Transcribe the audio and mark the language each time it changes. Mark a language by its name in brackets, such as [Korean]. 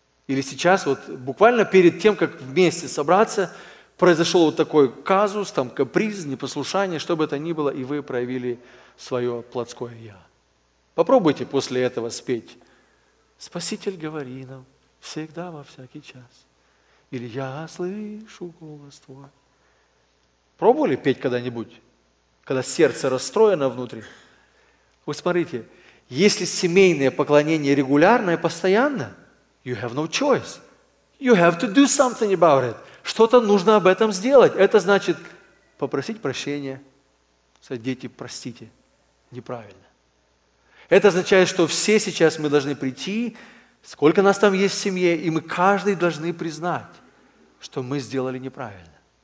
[Russian] Или сейчас, вот буквально перед тем, как вместе собраться, произошел вот такой казус, там каприз, непослушание, что бы это ни было, и вы проявили свое плотское «я». Попробуйте после этого спеть «Спаситель говори нам всегда во всякий час» или «Я слышу голос твой». Пробовали петь когда-нибудь, когда сердце расстроено внутри? Вы смотрите, если семейное поклонение регулярное, постоянно, [English] you have no choice, you have to do something about it. [Russian] Что-то нужно об этом сделать. Это значит попросить прощения. Сказать, дети, простите, неправильно. Это означает, что все сейчас мы должны прийти, сколько нас там есть в семье, и мы каждый должны признать, что мы сделали неправильно.